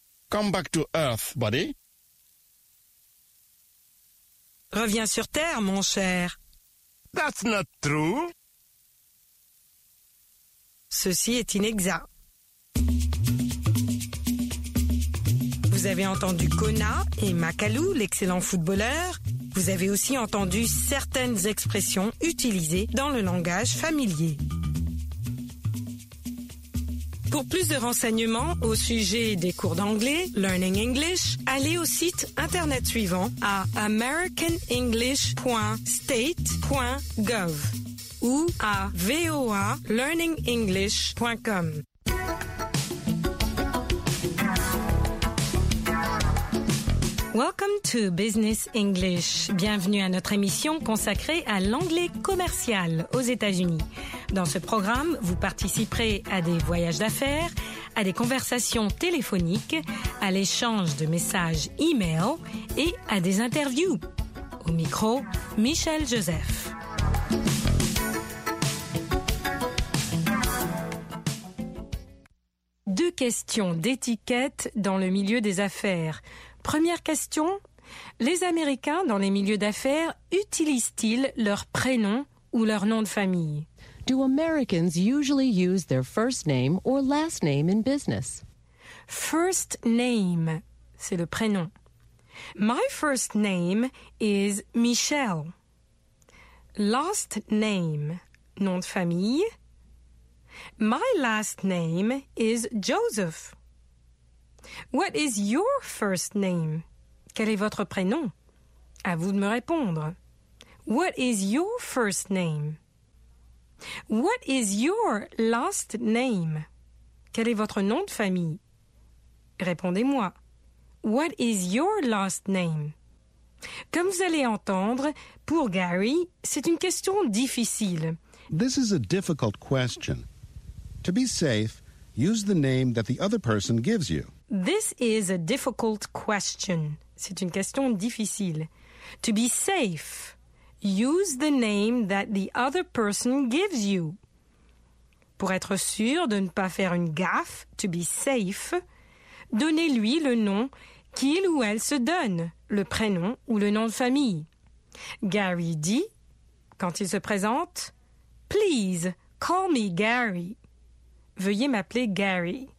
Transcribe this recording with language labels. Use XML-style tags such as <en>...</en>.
<en>Come back to earth, buddy.</en> <fr>Reviens sur terre, mon cher.</fr> <en>That's not true.</en> <fr>Ceci est inexact. Vous avez entendu Kona et Macalou, l'excellent footballeur. Vous avez aussi entendu certaines expressions utilisées dans le langage familier. Pour plus de renseignements au sujet des cours d'anglais, Learning English, allez au site internet suivant à americanenglish.state.gov ou à voalearningenglish.com. Welcome to Business English. Bienvenue à notre émission consacrée à l'anglais commercial aux États-Unis. Dans ce programme, vous participerez à des voyages d'affaires, à des conversations téléphoniques, à l'échange de messages e-mail et à des interviews. Au micro, Michel Joseph. Deux questions d'étiquette dans le milieu des affaires. Première question, les Américains dans les milieux d'affaires utilisent-ils leur prénom ou leur nom de famille?</fr> <en>Do Americans usually use their first name or last name in business? First name,</en> <fr>c'est le prénom.</fr> <en>My first name is Michelle. Last name,</en> <fr>nom de famille.</fr> <en>My last name is Joseph. What is your first name?</en> <fr>Quel est votre prénom? À vous de me répondre.</fr> <en>What is your first name? What is your last name?</en> <fr>Quel est votre nom de famille? Répondez-moi.</fr> <en>What is your last name?</en> <fr>Comme vous allez entendre, pour Gary, c'est une question difficile.</fr> <en>This is a difficult question. To be safe, use the name that the other person gives you. This is a difficult question.</en> <fr>C'est une question difficile.</fr> <en>To be safe, use the name that the other person gives you.</en> <fr>Pour être sûr de ne pas faire une gaffe,</fr> <en>to be safe,</en> <fr>donnez-lui le nom qu'il ou elle se donne, le prénom ou le nom de famille. Gary dit, quand il se présente, «</fr> <en>Please, call me Gary.</en> <fr>» Veuillez m'appeler Gary.</fr>